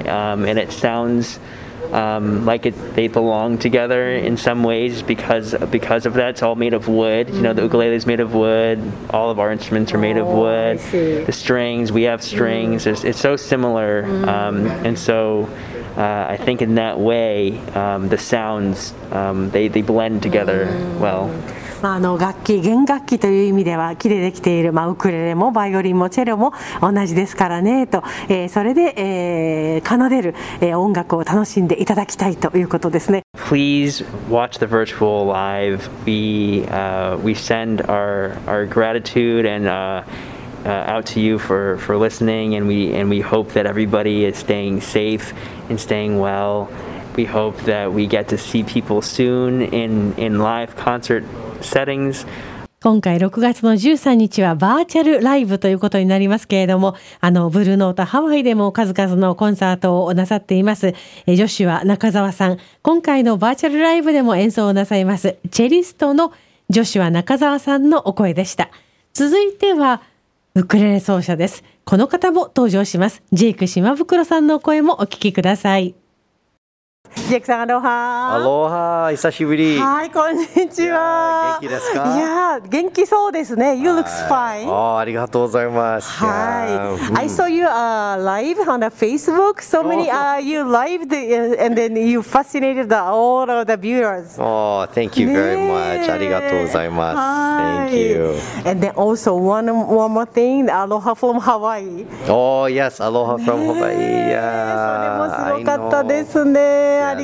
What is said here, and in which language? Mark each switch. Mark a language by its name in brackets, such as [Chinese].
[English] And it sounds like they belong together in some ways because of that. It's all made of wood. Mm. You know, the ukulele is made of wood. All of our instruments are made of wood. I see. The strings, we have strings. Mm. It's so similar. Mm. And so I think in that way, the sounds, they blend together well. [Japanese] まあ、あの楽器弦楽器という意味では木でできている、まあ、ウクレレもバイオリンもチェロも同じですからねと、それで、奏でる、音楽を楽しんでいただきたいということですね。 [English] Please watch the virtual live. We send our gratitude and out to you for listening, and we hope that everybody is staying safe and staying well. We hope that we get to see people soon in live concert settings. [Japanese] 今回6月の13日はバーチャルライブということになりますけれども、あのブルーノートハワイでも数々のコンサートをなさっています、ジョシュア中澤さん、今回のバーチャルライブでも演奏をなさいますチェリストのジョシュア中澤さんのお声でした。続いてはウクレレ奏者です。この方も登場します。ジェイク島袋さんの声もお聞きください。ジェイクさん、アロハ。アロハ、久しぶり。はい、こんにちは。元気ですか？いや、元気そうですね。 [English] You look fine. [Japanese] ありがとうございます。はい。 [English] Yeah. I saw you live on the Facebook. So many you live and then you fascinated all of the viewers. Thank you very much. [Japanese] ありがとうございます。 [English] Thank you. And then also one more thing. Aloha from Hawaii. Oh, yes. Aloha from Hawaii. Yeah. [Japanese] それもすごかったですね。